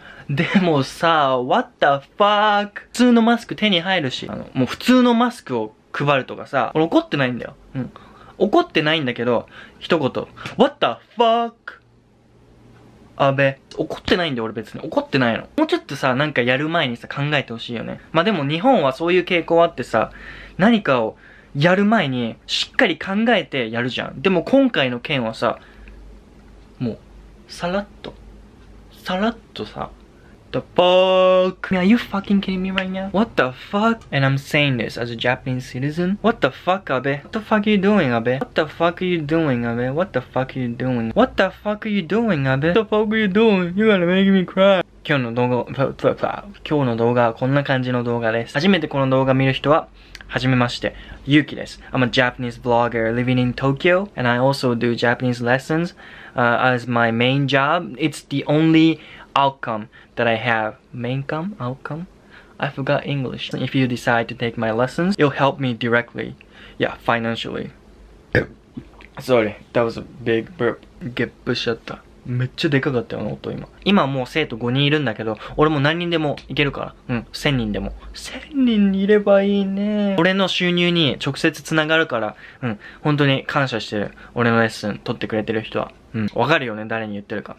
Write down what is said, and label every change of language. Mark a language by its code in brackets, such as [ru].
[ja] でもさ、 [en] what the fuck? [ja] 普通のマスク手に入るし、もう普通のマスクを配るとかさ、俺怒ってないんだよ。うん。怒ってないんだけど、一言。 [en] what the fuck? [ja] 安倍怒ってないんで、俺別に怒ってないの。もうちょっとさ、なんかやる前にさ、考えてほしいよね。まあでも日本はそういう傾向あってさ、何かをやる前にしっかり考えてやるじゃん。でも今回の件はさ、もうさらっとさ、 [en] The fuck? Are you fucking kidding me right now? What the fuck? And I'm saying this as a Japanese citizen. What the fuck, 安倍? What the fuck are you doing, 安倍? What the fuck are you doing, 安倍? What the fuck are you doing? What the fuck are you doing, 安倍? What the fuck are you doing? You gotta make me cry. [ja] 今日の動画はこんな感じの動画です。初めてこの動画見る人は、はじめまして、ゆうきです。 [en] I'm a Japanese blogger living in Tokyo, and I also do Japanese lessons, as my main job. It's the only outcome that I have. Maincome? Outcome? I forgot English. If you decide to take my lessons, it'll help me directly. Yeah, financially. Sorry, that was a big burp. [ja] ゲップしちゃった。めっちゃでかかったよ、音今。今もう生徒5人いるんだけど、俺も何人でもいけるから。うん、1000人でも。 1000人いればいいね。俺の収入に直接つながるから、うん、本当に感謝してる。俺のレッスン取ってくれてる人は。うん、わかるよね、誰に言ってるか。